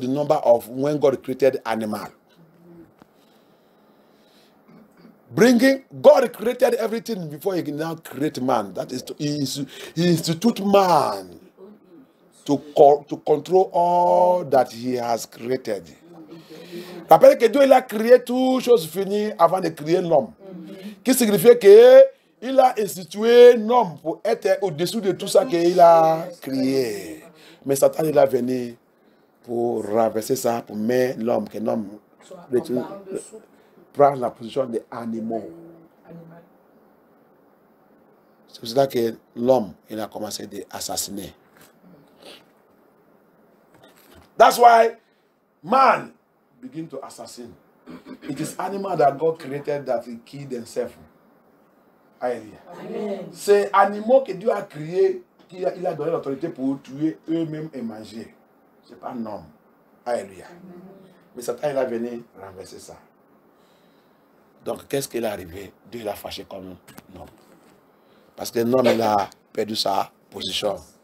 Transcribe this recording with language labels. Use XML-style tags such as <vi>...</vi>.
<fr>Le numéro 6.</fr> <en>Bringing God created everything before he now create man. That is to, he institute man to control all that he has created.</en> <fr>Rappelle que Dieu il a créé toutes choses finies avant de créer l'homme. Qui signifie que il a institué l'homme pour être au-dessus de tout ça qu'il a créé. Mais Satan il a venu pour renverser ça, pour mettre l'homme, que l'homme soit prendre la position des animaux. C'est pour cela que l'homme, il a commencé à assassiner.</fr> <en>That's why man begin to assassin. It is animal that God created that he killed themselves.</en> <fr>Alléluia. C'est animaux que Dieu a créé, qu'il a donné l'autorité pour tuer eux-mêmes et manger. C'est pas un homme. Alléluia. Mais Satan, il a venu renverser ça. Donc, qu'est-ce qu'il est arrivé? Dieu l'a fâché comme un homme. Parce que l'homme, il a perdu sa position.</fr>